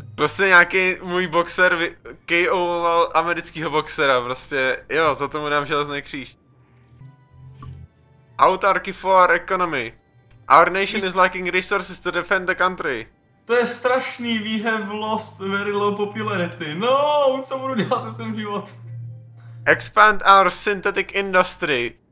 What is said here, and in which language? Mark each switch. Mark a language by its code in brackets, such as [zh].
[cs] Prostě nějaký můj boxer KO-oval amerického boxera, prostě jo, za to mu dám železný kříž. [en] Autarky for our economy. Our nation is lacking resources to defend the country. [cs] To je strašný, [en] we have lost very low popularity. [cs] No, co budu dělat se svým životem? [en] Expand our synthetic industry.